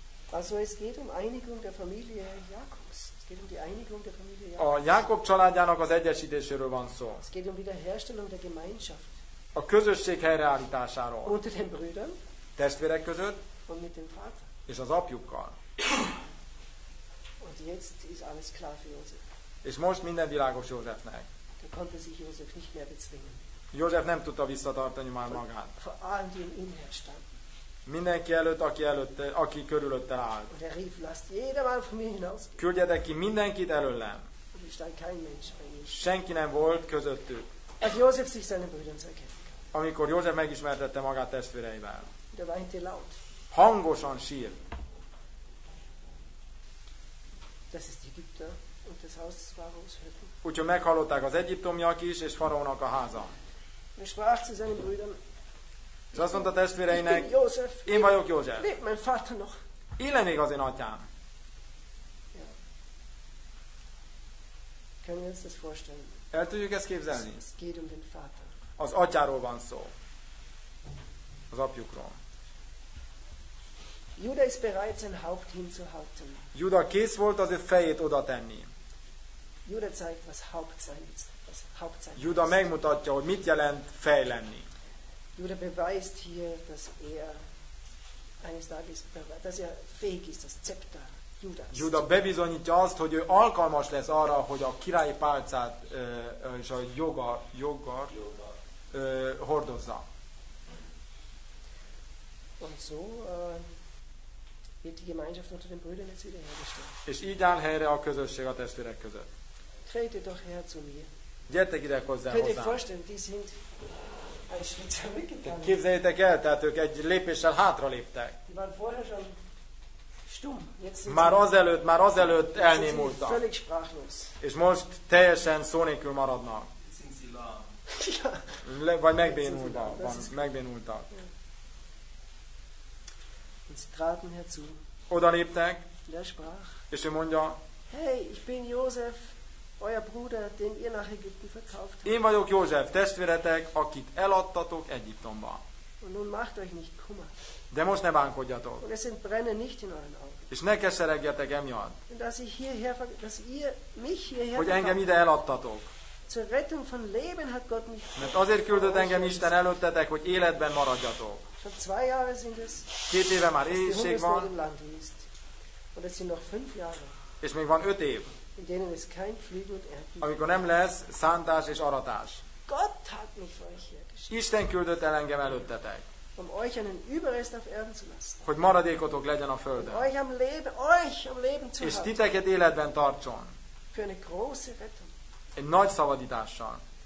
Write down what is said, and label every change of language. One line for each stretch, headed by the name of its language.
German: Also es geht um Einigung der Familie Jakobs. Es geht um die Einigung der Familie Jakobs.
Hungarian: A Jakob családjának az egyesítéséről van szó.
German: Es geht um Wiederherstellung der Gemeinschaft.
Hungarian: A közösség helyreállításáról.
German: Unter den Brüdern.
Hungarian: Testvérek között.
German: Und mit dem Vater.
Hungarian: És az apjukkal.
German: Und jetzt ist alles klar für Josef.
Hungarian: És most minden világos Józsefnek.
German: Konnte sich Josef nicht mehr bezwingen.
Hungarian: Josef nem tudta visszatartani már magát.
German: Vor allem die in ihm standen.
Hungarian: Mindenki előtt, aki körülötte állt.
German: Und er rief, lasst jedermann von mir hinausgehen.
Hungarian: Küldjetek ki mindenkit előlem.
German: Und es stand kein Mensch bei ihm.
Hungarian: Senki nem volt közöttük.
German: Als Josef sich seine Brüdern erkannte.
Hungarian: Amikor József megismertette magát testvéreivel.
German: Da weinte laut.
Hungarian: Hangosan sírt.
German: Das ist die Ägypter und das Haus des Pharaos hörten.
Hungarian: Úgyhogy meghallották az egyiptomiak is, és faraónak a háza.
German: Er sprach zu seinen Brüdern.
Hungarian: És azt mondta testvéreinek,
German: ich bin Josef,
Hungarian: én vagyok József.
German: Lebt mein Vater noch.
Hungarian: Éle még az én atyám.
German: Ja. Können wir uns das vorstellen?
Hungarian: El tudjuk ezt képzelni?
German: Es geht um den Vater.
Hungarian: Az atyáról van szó. Az apjukról.
German: Juda ist bereit, sein Haupt hinzuhalten.
Hungarian: Juda kész volt az ő fejét oda tenni.
German: Juda zeigt, was Haupt sein ist. Was Haupt sein Juda ist.
Hungarian: Megmutatja, hogy mit jelent fej lenni.
German: Juda beweist hier, dass er eines Tages, dass er fähig ist, das Zepter Judas.
Hungarian: Juda bebizonyítja azt, hogy ő alkalmas lesz arra, hogy a királyi pálcát és a jogar hordozza.
German: Und so wird die Gemeinschaft unter den Brüdern jetzt wiederhergestellt.
Hungarian: És így áll helyre a közösség a testvérek között.
German: Trete doch her zu mir.
Hungarian: Gyertek ide hozzám.
German: Könnt ihr vorstellen, die sind ein Schritt zurückgegangen.
Hungarian: Képzeljétek el, tehát ők egy lépéssel hátra léptek.
German: Die waren vorher schon stumm. Jetzt sind
Hungarian: már azelőtt elnémultak.
German: Völlig sprachlos.
Hungarian: És most teljesen szó nélkül maradnak. Vagy megbénultak.
German: Und sie traten herzu.
Hungarian: Oda léptek.
German: Der sprach.
Hungarian: És ő mondja.
German: Hey, ich bin Josef. Euer Bruder, den ihr nach Ägypten verkauft habt.
Hungarian: Én vagyok József, testvéretek, akit eladtatok Egyiptomba.
German: Und nun macht euch nicht Kummer.
Hungarian: De most ne bánkodjatok.
German: Und es entbrenne nicht in euren Augen.
Hungarian: És ne keseregjetek emiatt.
German: Dass ich hierher, dass ihr mich hierher.
Hungarian: Hogy engem ide eladtatok.
German: Zur Rettung von Leben hat Gott mich.
Hungarian: Mert azért küldött engem Isten előttetek, hogy életben maradjatok.
German: Schon zwei Jahre sind es.
Hungarian: Két éve már éhség van.
German: Und es sind noch fünf Jahre.
Hungarian: És még van öt év.
German: In denen es kein Pflügen und Ernten.
Hungarian: Amikor nem lesz szántás és aratás.
German: Gott hat mich für euch hier.
Hungarian: Isten küldött el engem előttetek.
German: Um euch einen Überrest auf Erden zu lassen.
Hungarian: Hogy maradékotok legyen a földön.
German: Um euch am Leben, euch am Leben zu
Hungarian: és titeket életben tartson.
German: Für eine große Rettung.
Hungarian: Egy nagy szabadítással.